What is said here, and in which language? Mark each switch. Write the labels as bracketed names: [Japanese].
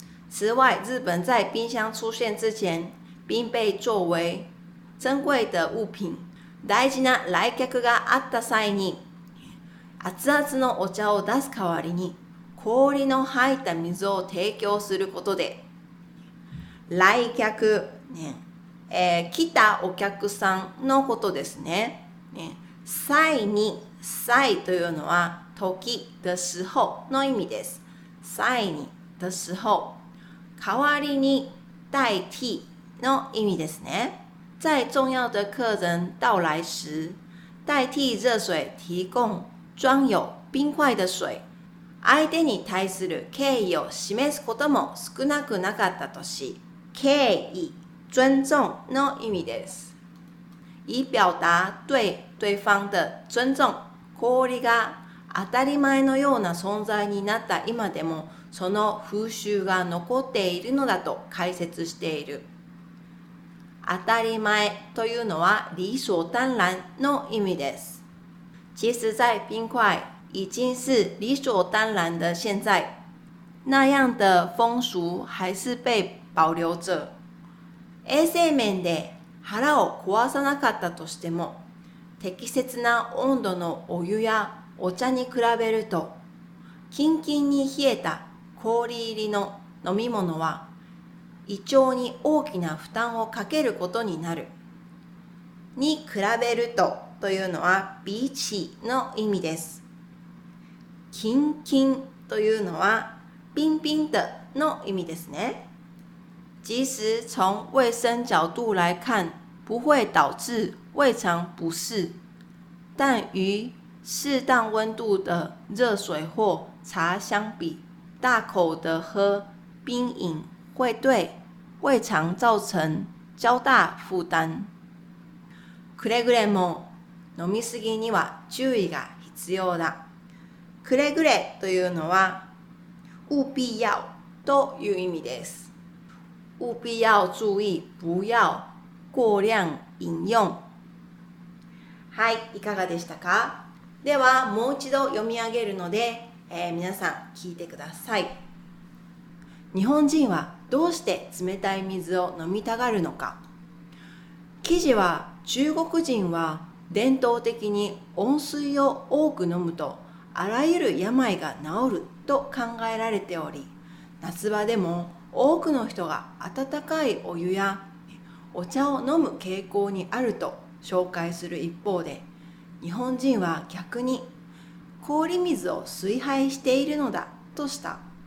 [Chinese] 此外、日本在冰箱出現之前、冰被作為珍貴的物品、 [Japanese] 大事な来客があった際に、熱々のお茶を出す代わりに、氷の入った水を提供することで、来客、来たお客さんのことですね。際に、際というのは、時的時候の意味です。際に的時候。代わりに、代替の意味ですね。 [Chinese] 在重要的客人到来时、代替热水提供装有冰块的水。 [Japanese] 相手に対する敬意を示すことも少なくなかったとし、敬意、尊重の意味です。 [Chinese] 以表达对对方的尊重。 [Japanese] 氷が当たり前のような存在になった今でも、その風習が残っているのだと解説している。当たり前というのは理所当然の意味です。 [Chinese] 其实在冰块已经是理所当然的现在，那样的风俗还是被保留着。 [Japanese] 衛生面で腹を壊さなかったとしても、適切な温度のお湯やお茶に比べると、キンキンに冷えた氷入りの飲み物は胃腸に大きな負担をかけることになる。に比べるとというのは比起の意味です。キンキンというのはピンピンでの意味ですね。 [Chinese] 即使从卫生角度来看不会导致胃肠不适，但与适当温度的热水或茶相比，大口的喝冰饮会对胃肠造成较大负担。 [Japanese] くれぐれも飲みすぎには注意が必要だ。くれぐれというのは务必要という意味です。 [Chinese] 务必要注意不要过量饮用。 [Japanese] はい、いかがでしたか？ではもう一度読み上げるので、皆さん聞いてください。日本人はどうして冷たい水を飲みたがるのか。記事は、中国人は伝統的に温水を多く飲むとあらゆる病が治ると考えられており、夏場でも多くの人が温かいお湯やお茶を飲む傾向にあると紹介する一方で、日本人は逆に氷水を水廃しているのだとした。